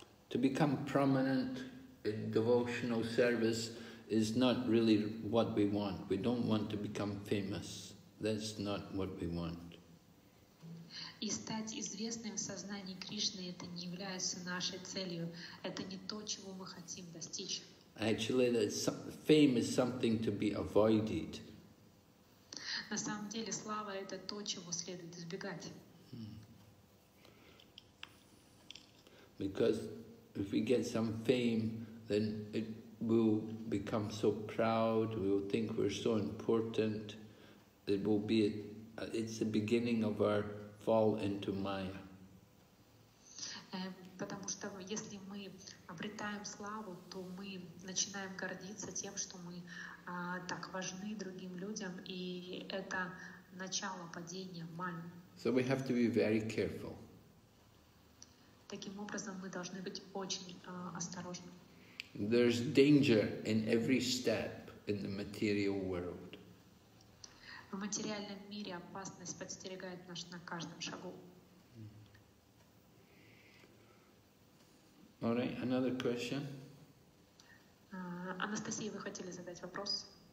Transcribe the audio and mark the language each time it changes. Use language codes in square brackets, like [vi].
[en] To become prominent in devotional service is not really what we want. We don't want to become famous. That's not what we want. [ru] И стать известным в сознании Кришны это не является нашей целью. Это не то, чего мы хотим достичь. [en] Actually, fame is something to be avoided. [ru] На самом деле, слава это то, чего следует избегать. [en] Because if we get some fame, then it will become so proud, we will think we're so important, it's the beginning of our fall into Maya. [ru] Потому что если мы обретаем славу, то мы начинаем гордиться тем, что мы так важны другим людям, и это начало падения Майи. [en] So we have to be very careful. [ru] Таким образом, мы должны быть очень осторожны. [en] There's danger in every step in the material world. [ru] В материальном мире опасность подстерегает нас на каждом шагу. [en] All right, another question. [ru] Анастасия, вы хотели задать вопрос?